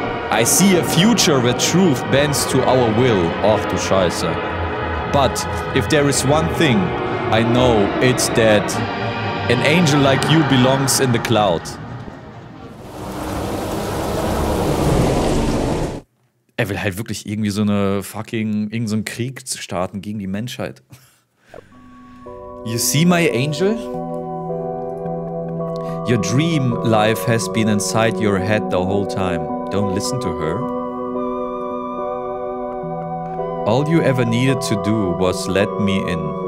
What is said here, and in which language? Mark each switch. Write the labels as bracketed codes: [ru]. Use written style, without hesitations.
[en] I see a future where truth bends to our will. [de] Ach du Scheiße. [en] But if there is one thing, I know it's that an angel like you belongs in the cloud. [de] Er will halt wirklich irgendwie so eine fucking, irgend so einen Krieg zu starten gegen die Menschheit. [en] You see, my angel? Your dream life has been inside your head the whole time. Don't listen to her. All you ever needed to do was let me in.